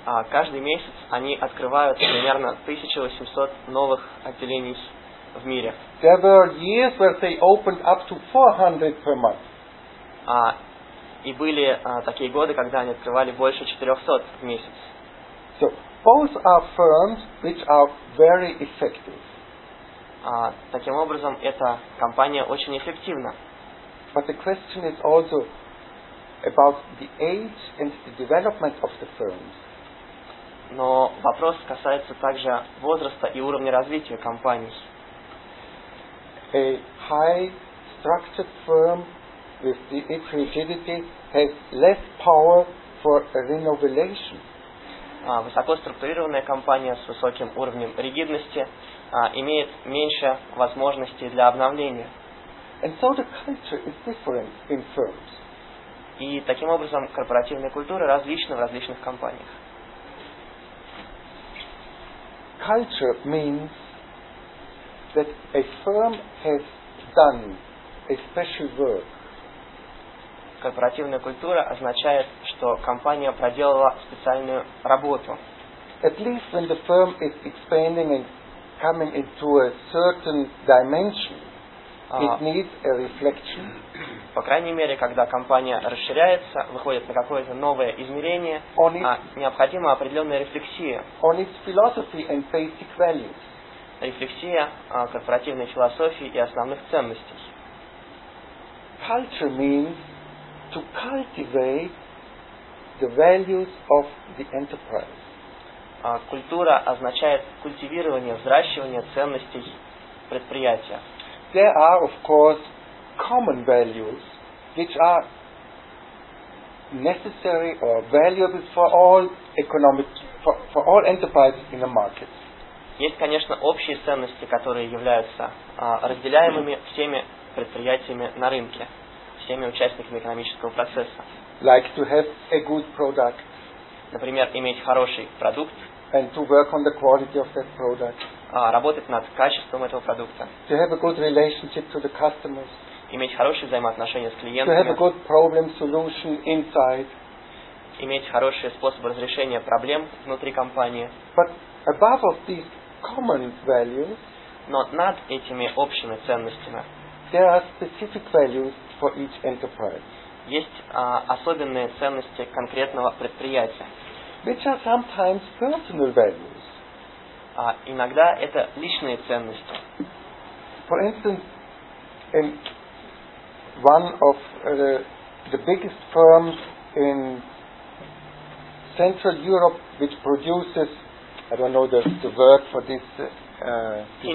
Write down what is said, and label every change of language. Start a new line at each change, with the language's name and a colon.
Russian: Каждый месяц они открывают примерно 1800 новых отделений в мире.
English: There were years where they opened up to 400 per month.
Russian: И были такие годы, когда они открывали больше 400 в месяц.
English: So, both are firms which are very effective.
Russian: Таким образом, эта компания очень эффективна.
English: But the question is also about the age and the development of the firms.
Russian: Но вопрос касается также возраста и уровня развития компаний.
English: A high structured firm with its rigidity has less power for renovation.
Russian: Высоко структурированная компания с высоким уровнем ригидности имеет меньше возможностей для обновления.
English: And so the culture is different in firms.
Russian: И таким образом корпоративная культура различна в различных компаниях.
English: Culture means that a firm has done a special work.
Russian: Корпоративная культура означает, что компания проделала специальную работу.
English: At least when the firm is expanding and coming into a certain dimension, it needs a reflection.
Russian: По крайней мере, когда компания расширяется, выходит на какое-то новое измерение, необходима определенная рефлексия.
English: On its philosophy and basic values.
Russian: Рефлексия корпоративной философии и основных ценностей.
English: Culture means to cultivate the values of the enterprise.
Russian: Культура означает культивирование, взращивание ценностей предприятия.
English: There are, of course, common values which are necessary or valuable for all economic for all enterprises in the market.
Russian: Есть, конечно, общие ценности, которые являются разделяемыми всеми предприятиями на рынке, всеми участниками экономического процесса.
English: Like to have a good product.
Russian: Например, иметь хороший продукт.
English: And to work on the quality of that product.
Russian: Работать над качеством этого продукта.
English: To have a good relationship to the customers.
Russian: Иметь хорошие взаимоотношения с клиентами.
English: To have a good problem solution inside.
Russian: Иметь хорошие способы разрешения проблем внутри компании.
English: But above of these common values,
Russian: но над этими общими ценностями,
English: there are specific values for each enterprise.
Russian: Есть особенные ценности конкретного предприятия.
English: Which are sometimes personal values.
Russian: Иногда это личные ценности.
English: For instance, in one of the biggest firms in Central Europe, which produces, I don't know the word for this.